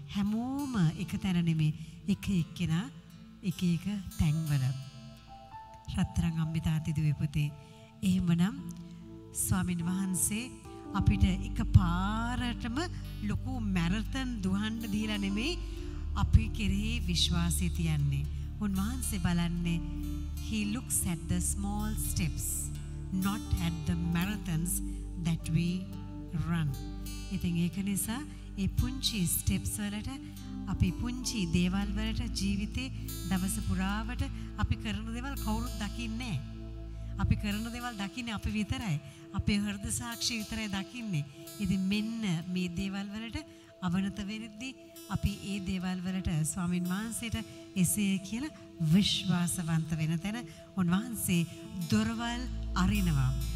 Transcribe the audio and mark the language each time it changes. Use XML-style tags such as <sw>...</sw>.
<si>හැමෝම එක තැන නෙමෙයි, එක එක්කෙනා එක එක තැන්වල. රත්තරන් අම්මිතාති දුවේ පුතේ එහෙමනම් ස්වාමින් වහන්සේ අපිට එක පාරටම ලොකු මැරතන් දුහන්න දීලා නෙමෙයි අපි කෙරෙහි විශ්වාසය තියන්නේ. උන්වහන්සේ බලන්නේ</si> <en>he looks at the small steps not at the marathons that we run.</en> <si>ඉතින් ඒක නිසා ඒ පුංචි ස්ටෙප්ස් වලට අපි පුංචි දේවල් වලට ජීවිතේ දවස පුරාවට අපි කරන දේවල් කවුරුත් දකින්නේ නැහැ. අපි කරන දේවල් දකින්නේ අපි විතරයි. අපේ හෘද සාක්ෂි විතරයි දකින්නේ. ඉතින් මෙන්න මේ දේවල් වලට අවනත වෙද්දී අපි ඒ දේවල් වලට ස්වාමින් වහන්සේට එසේ කියලා විශ්වාසවන්ත වෙන තැන උන්වහන්සේ දොරවල් අරිනවා.</si>